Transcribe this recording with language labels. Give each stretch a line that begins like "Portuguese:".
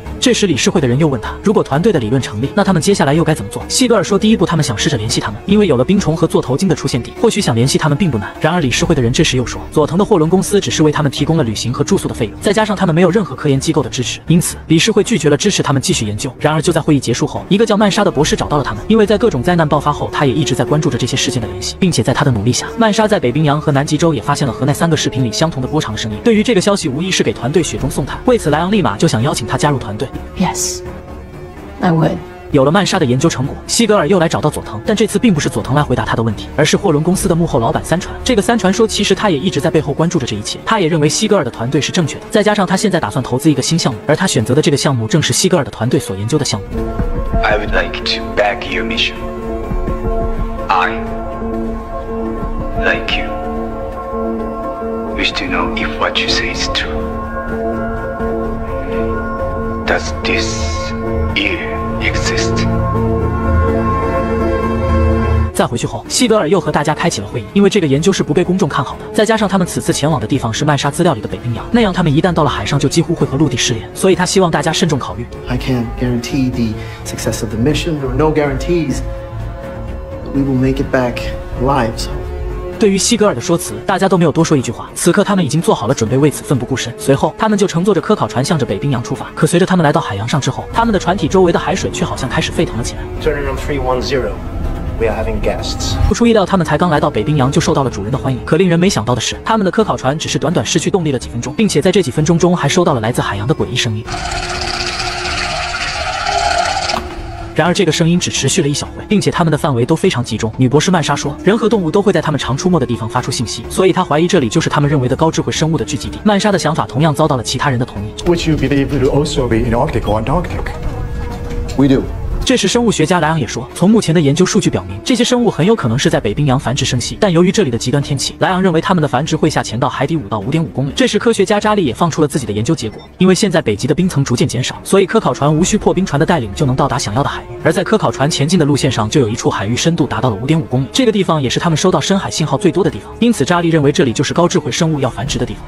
Chinese: 这时理事会的人又问他，如果团队的理论成立，那他们接下来又该怎么做。西格尔说，第一步他们想试着联系他们，因为有了冰虫和座头鲸的出现地，或许想联系他们并不难。然而理事会的人这时又说，佐藤的霍伦公司只是为他们提供了旅行和住宿的费用，再加上他们没有任何科研机构的支持，因此理事会拒绝了支持他们继续研究。然而就在会议结束后，一个叫曼莎的博士找到了他们，因为在各种灾难爆发后，他也一直在关注着这些事件的联系，并且在他的努力下，曼莎在北冰洋和南极洲也发现了和那三个视频里相同的波长声音。对于这个消息，无疑是给团队雪中送炭。为此莱昂立马就想邀请他加入团队。
English: Yes, I would.
Chinese: 有了曼莎的研究成果，西格尔又来找到佐藤，但这次并不是佐藤来回答他的问题，而是霍伦公司的幕后老板三船。这个三船说，其实他也一直在背后关注着这一切，他也认为西格尔的团队是正确的，再加上他现在打算投资一个新项目，而他选择的这个项目正是西格尔的团队所研究的项目。
English: I would like to back your mission. I, like you, wish to know if what you say is true. Does this year exist?
Chinese: 再回去后，西格尔又和大家开启了会议，因为这个研究是不被公众看好的，再加上他们此次前往的地方是曼莎资料里的北冰洋，那样他们一旦到了海上就几乎会和陆地失联，所以他希望大家慎重考虑。
English: I can't guarantee the success of the mission. There are no guarantees, but we will make it back alive.
Chinese: 对于西格尔的说辞，大家都没有多说一句话。此刻他们已经做好了准备，为此奋不顾身。随后他们就乘坐着科考船向着北冰洋出发。可随着他们来到海洋上之后，他们的船体周围的海水却好像开始沸腾了起来。
English: Turn room 310. We are having guests.
Chinese: 不出意料，他们才刚来到北冰洋就受到了主人的欢迎。可令人没想到的是，他们的科考船只是短短失去动力了几分钟，并且在这几分钟中还收到了来自海洋的诡异声音。然而这个声音只持续了一小会，并且他们的范围都非常集中。女博士曼莎说，人和动物都会在他们常出没的地方发出信息，所以她怀疑这里就是他们认为的高智慧生物的聚集地。曼莎的想法同样遭到了其他人的同意。
English: Would you believe it would also be in Arctic or Antarctic? We do.
Chinese: 这时生物学家莱昂也说，从目前的研究数据表明，这些生物很有可能是在北冰洋繁殖生息，但由于这里的极端天气，莱昂认为他们的繁殖会下潜到海底5到5.5公里。这时科学家扎利也放出了自己的研究结果，因为现在北极的冰层逐渐减少，所以科考船无需破冰船的带领就能到达想要的海域。而在科考船前进的路线上就有一处海域深度达到了 5.5 公里，这个地方也是他们收到深海信号最多的地方，因此扎利认为这里就是高智慧生物要繁殖的地方。